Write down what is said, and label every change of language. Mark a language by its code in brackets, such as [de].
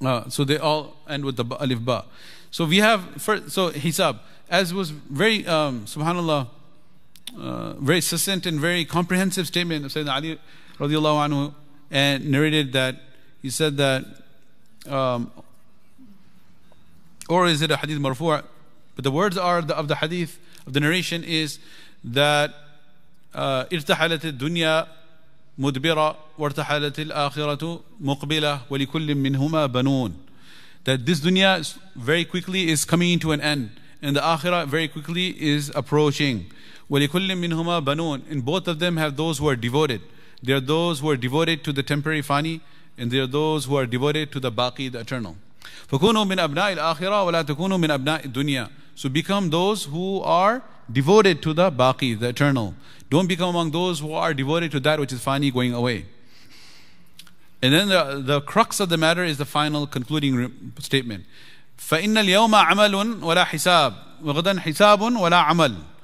[en] So they all end with the alif ba. So we have, first, so hisab, as was very, subhanAllah, very succinct and very comprehensive statement of Sayyidina Ali radiallahu anhu, and narrated that he said that or is it a hadith marfu'? But the words are of the hadith of the narration is that [ar] irtahalat ad-dunya مدبرة وارتحلت الآخرة مقبلة ولكل منهما بنون. [en] That this dunya very quickly is coming to an end, and the akhirah very quickly is approaching. [ar] ولكل منهما بنون. [en] And both of them have those who are devoted. They are those who are devoted to the temporary fani, and they are those who are devoted to the baqi, the eternal. [ar] فكونوا من أبناء الآخرة ولا تكونوا من أبناء الدنيا. [en] So become those who are devoted to the baqi, the eternal. Don't become among those who are devoted to that which is fani, going away. And then the crux of the matter is the final concluding statement. [ar] فَإِنَّ الْيَوْمَ عَمَلٌ وَلَا حِسَابٌ وَغَدًا حِسَابٌ وَلَا عَمَلٌ.